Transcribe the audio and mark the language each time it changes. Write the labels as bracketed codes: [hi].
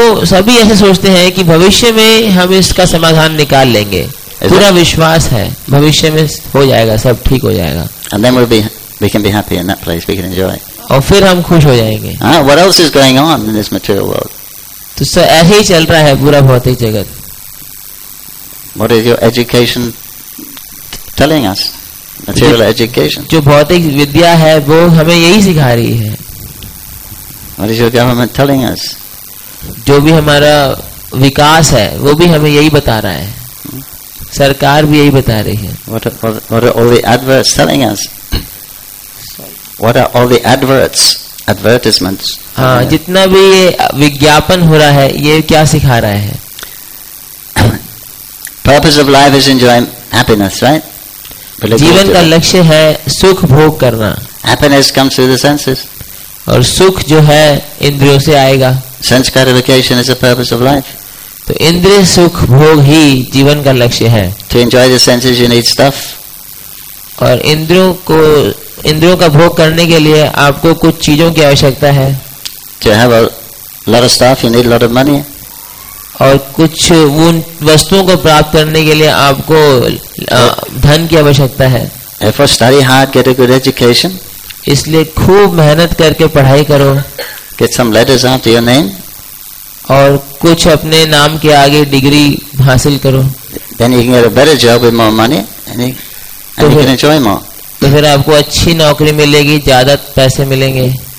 [hi] सभी ऐसे सोचते हैं कि भविष्य में हम इसका समाधान निकाल लेंगे. पूरा विश्वास है भविष्य में हो जाएगा, सब ठीक हो जाएगा. [en] And then we can be happy in that place. We can enjoy. [hi] और फिर हम खुश हो जाएंगे. [en] What else is going on in this material world? [hi] तो सब ऐसे ही चल रहा है पूरा भौतिक जगत. [en] What is your education telling us? Material education. [hi] जो भौतिक विद्या है वो हमें यही सिखा रही है. [en] What is your government telling us? [hi] जो भी हमारा विकास है वो भी हमें यही बता रहा है. सरकार भी यही बता रही है. [en] What are all the adverts telling us? What are all the adverts, advertisements? [hi] हाँ, जितना भी ये विज्ञापन हो रहा है ये क्या सिखा रहा है? [en] Purpose of life is enjoying happiness, right? [hi] जीवन का लक्ष्य है सुख भोग करना. [en] Happiness comes through the senses. [hi] और सुख जो है इंद्रियों से आएगा. [en] Sense gratification is the purpose of life. [hi] तो इंद्रिय सुख भोग ही जीवन का लक्ष्य है. [en] To enjoy the senses, you need stuff. [hi] और इंद्रियों का भोग करने के लिए आपको कुछ चीजों की आवश्यकता है. [en] To have a lot of stuff, you need a lot of money. [hi] और कुछ उन वस्तुओं को प्राप्त करने के लिए आपको धन की आवश्यकता है. [en] Effort, study hard, get a good education. [hi] इसलिए खूब मेहनत करके पढ़ाई करो. [en] Get some letters after your name. [hi] और कुछ अपने नाम के आगे डिग्री हासिल करो. [en] Then you can get a better job with more money and you can enjoy more. [hi] तो फिर आपको अच्छी नौकरी मिलेगी, ज्यादा पैसे मिलेंगे.